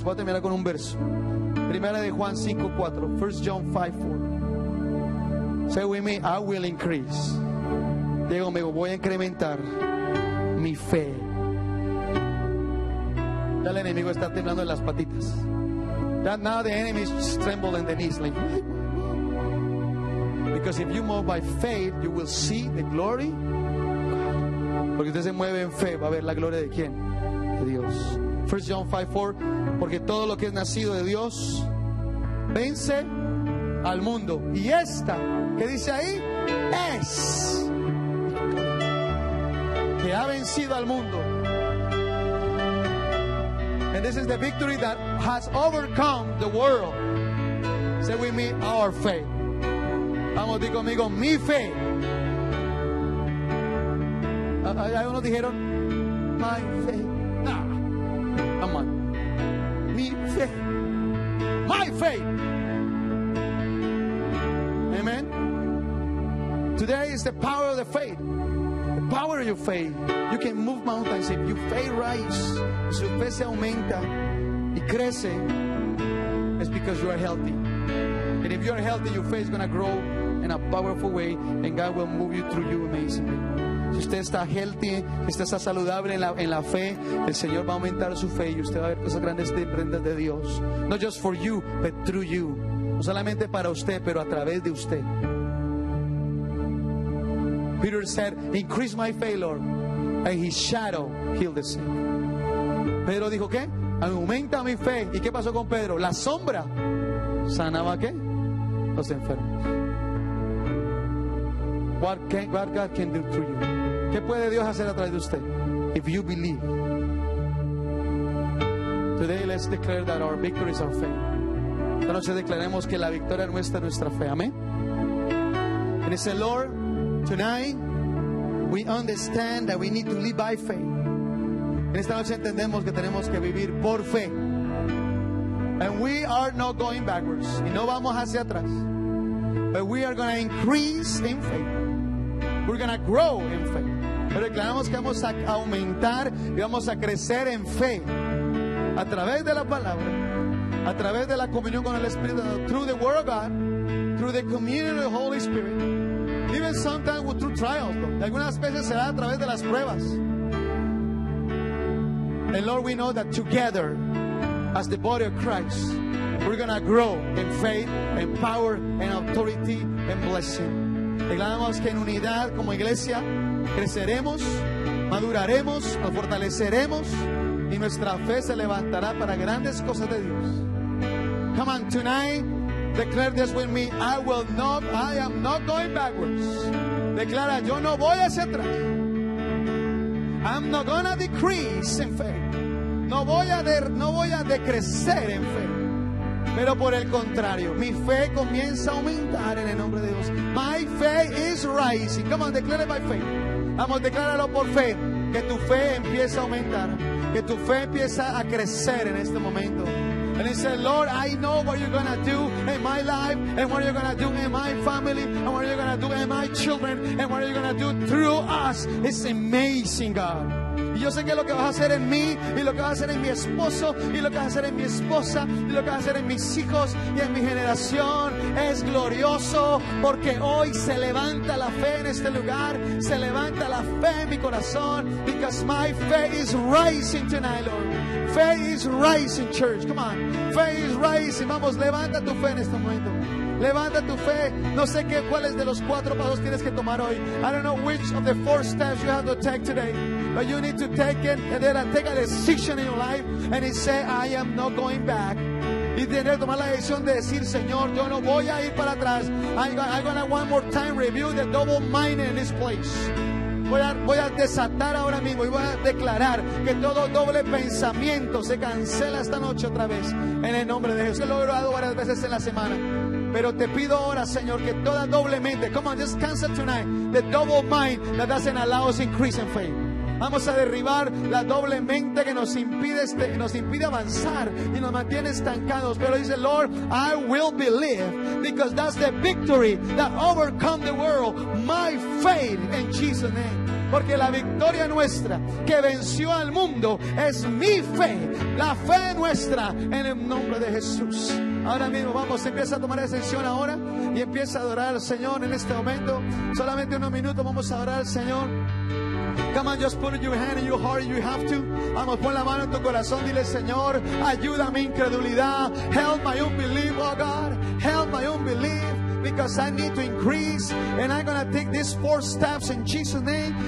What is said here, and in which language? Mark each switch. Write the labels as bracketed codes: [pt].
[es] Voy a terminar con un verso. Primera de Juan 5:4. [en] 1 John 5:4. Say with me, I will increase. [es] Diego, me voy a incrementar mi fe. Ya el enemigo está temblando en las patitas. [en] That now the enemy is trembling in the knees. Like, because if you move by faith, you will see the glory. [es] Porque usted se mueve en fe, va a ver la gloria de quién. de Dios. 1 John 5:4, porque todo lo que es nacido de Dios vence al mundo. Y esta que dice ahí es que ha vencido al mundo. [en] And this is the victory that has overcome the world. Say with me, our faith. [es] Vamos, di conmigo, mi fe. Algunos dijeron, [en] my faith. [es] Nah. [en] Come on. [es] Mi fe. [en] My faith. Amen. Today is the power of the faith. The power of your faith. You can move mountains if your faith rises. [es] Su fe se aumenta y crece. [en] It's because you are healthy. And if you are healthy, your faith is going to grow in a powerful way, and God will move you through you amazingly. [es] Si usted está healthy, si usted está saludable en la fe, el Señor va a aumentar su fe y usted va a ver cosas grandes de prendas de Dios. [en] Not just for you, but through you. [es] No solamente para usted, pero a través de usted. [en] Peter said, increase my faith, Lord, and his shadow healed the sick. [es] Pedro dijo, ¿qué? Aumenta mi fe. ¿Y qué pasó con Pedro? La sombra sanaba, ¿qué? Los enfermos. [en] What God can do through you. [es] ¿Qué puede Dios hacer a través de usted? [en] If you believe. Today let's declare that our victory is our faith. [es] Esta noche declaremos que la victoria nuestra es nuestra fe. Amén. [en] And it's the Lord, tonight we understand that we need to live by faith. [es] En esta noche entendemos que tenemos que vivir por fe. [en] And we are not going backwards. [es] Y no vamos hacia atrás. [en] But we are going to increase in faith. We're going to grow in faith. [es] Pero declaramos que vamos a aumentar y vamos a crecer en fe a través de la palabra, a través de la comunión con el Espíritu, [en] through the Word of God, through the communion of the Holy Spirit, even sometimes through trials. [es] Algunas veces será a través de las pruebas. [en] And Lord, we know that together, as the body of Christ, we're going to grow in faith, in power, in authority, in blessing. [es] Declaramos que en unidad como iglesia creceremos, maduraremos, nos fortaleceremos y nuestra fe se levantará para grandes cosas de Dios. [en] Come on, tonight, declare this with me. I am not going backwards. [es] Declara, yo no voy hacia atrás. [en] I'm not gonna decrease in faith. [es] No voy a decrecer en fe. Pero por el contrario, mi fe comienza a aumentar en el nombre de Dios. [en] My faith is rising. Come on, declare it by faith. [es] Vamos, decláralo por fe. Que tu fe empieza a aumentar. Que tu fe empieza a crecer en este momento. [en] And he said, Lord, I know what you're going to do in my life. And what you're going to do in my family. And what you're going to do in my children. And what you're going to do through us. It's amazing, God. [es] Y yo sé que lo que vas a hacer en mí, y lo que vas a hacer en mi esposo, y lo que vas a hacer en mi esposa, y lo que vas a hacer en mis hijos y en mi generación es glorioso, porque hoy se levanta la fe en este lugar, se levanta la fe en mi corazón. [en] Because my faith is rising tonight, Lord. Faith is rising, church. Come on. Faith is rising. [es] Vamos, levanta tu fe en este momento. Levanta tu fe. No sé cuáles de los cuatro pasos tienes que tomar hoy. [en] I don't know which of the four steps you have to take today. But you need to take a decision in your life and say, I am not going back. [es] Y tener que tomar la decisión de decir, Señor, yo no voy a ir para atrás. [en] I'm going to one more time review the double minded in this place. [es] Voy a desatar ahora mismo y voy a declarar que todo doble pensamiento se cancela esta noche otra vez en el nombre de Jesús. Lo he orado varias veces en la semana, pero te pido ahora, Señor, que toda doble mente, [en] come on, just cancel tonight the double mind that doesn't allow us increase in faith. [es] Vamos a derribar la doble mente que nos impide avanzar y nos mantiene estancados. Pero dice, [en] Lord, I will believe because that's the victory that overcome the world. My faith in Jesus' name. [es] Porque la victoria nuestra que venció al mundo es mi fe. La fe nuestra en el nombre de Jesús. Ahora mismo vamos, empieza a tomar decisión ahora y empieza a adorar al Señor en este momento. Solamente unos minutos vamos a adorar al Señor. [en] Come on, just put your hand in your heart if you have to. [es] Vamos, pon la mano en tu corazón. Dile, Señor, ayuda mi incredulidad. [en] Help my unbelief, oh God. Help my unbelief. because I need to increase and I'm going to take these four steps in Jesus' name.